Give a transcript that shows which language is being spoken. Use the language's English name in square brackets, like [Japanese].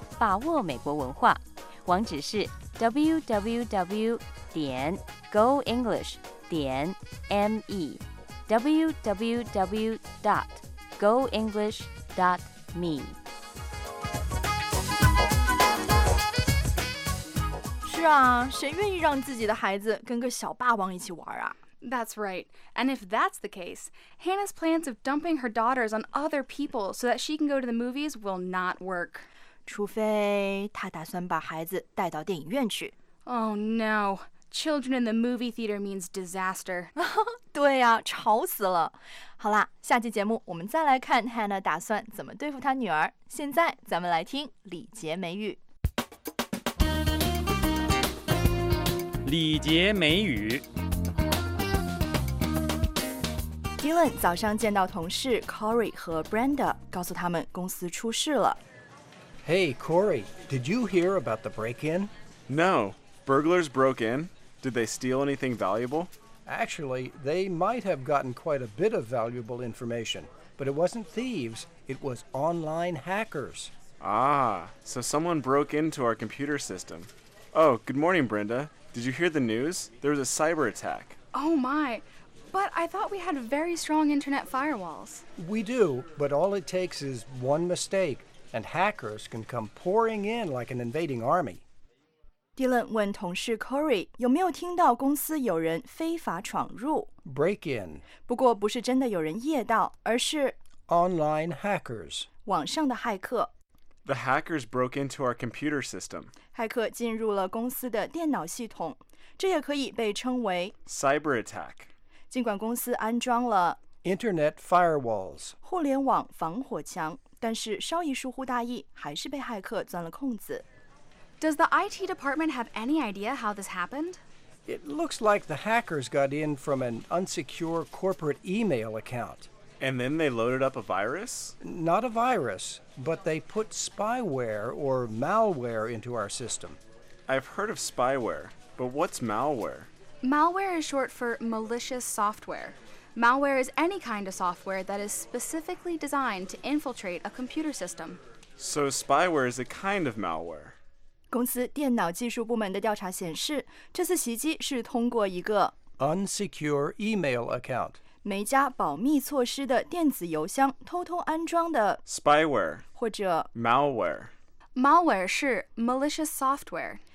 [Chinese] 把握美国文化，网址是 www.goenglish.me www.goenglish.me。是啊，谁愿意让自己的孩子跟个小霸王一起玩啊？ [English] That's right. And if that's the case, Hannah's plans of dumping her daughters on other people so that she can go to the movies will not work. [Chinese] 除非他打算把孩子带到电影院去。 [English] Oh no, children in the movie theater means disaster. [Chinese] 对啊，吵死了。好啦，下期节目我们再来看 Hannah 打算怎么对付她女儿。现在咱们来听礼节美语。礼节美语。 Dylan 早上见到同事 Corey 和 Brenda， 告诉他们公司出事了。 [English] Hey, Corey, did you hear about the break-in? No. Burglars broke in. Did they steal anything valuable? Actually, they might have gotten quite a bit of valuable information, but it wasn't thieves. It was online hackers. Ah, so someone broke into our computer system. Oh, good morning, Brenda. Did you hear the news? There was a cyber attack. Oh, my. But I thought we had very strong internet firewalls. We do, but all it takes is one mistake. And hackers can come pouring in like an invading army. [Chinese] Dylan 问同事 Corey 有没有听到公司有人非法闯入 [English] Break in. [Chinese] 不过不是真的有人夜盗，而是 [English] Online hackers. [Chinese] 网上的骇客 [English] The hackers broke into our computer system. [Chinese] 骇客进入了公司的电脑系统，这也可以被称为 [English] Cyber attack. [Chinese] 尽管公司安装了 [English] Internet firewalls. [Chinese] 互联网防火墙但是稍一疏忽大意，还是被骇客钻了空子。 [English] Does the IT department have any idea how this happened? It looks like the hackers got in from an unsecure corporate email account. And then they loaded up a virus? Not a virus, but they put spyware or malware into our system. I've heard of spyware, but what's malware? Malware is short for malicious software. Malware is any kind of software that is specifically designed to infiltrate a computer system. So spyware is a kind of malware. [Chinese] 公司电脑技术部门的调查显示，这次袭击是通过一个 [English] unsecure email account [Chinese] 没加保密措施的电子邮箱偷偷安装的 [English] spyware [Chinese] 或者 [English] malware. Malware [Chinese] 是 [English] malicious software